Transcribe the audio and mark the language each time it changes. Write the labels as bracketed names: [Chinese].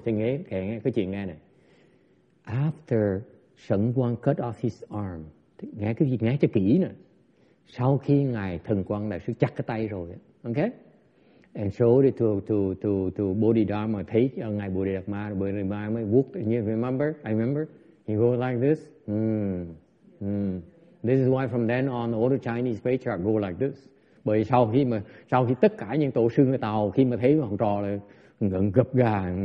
[Vietnamese] Thầy nghe, kể nghe cái chuyện nghe này. [English] After Sheng Guang cut off his arm, [Vietnamese] nghe cái gì, nghe cho kỹ nè. Sau khi Ngài Thần Quang Đại Sư chặt cái tay rồi, okay? [English] And showed it to Bodhidharma, [Vietnamese] thấy Ngài Bodhidharma, [English] Bodhidharma walked, and you remember? I remember? He goes like this. This is why from then on, all the Chinese patriarch go like this. [Vietnamese] Bởi sau khi tất cả những tổ sư người Tàu, khi mà thấy học trò là ngẩn gập gà.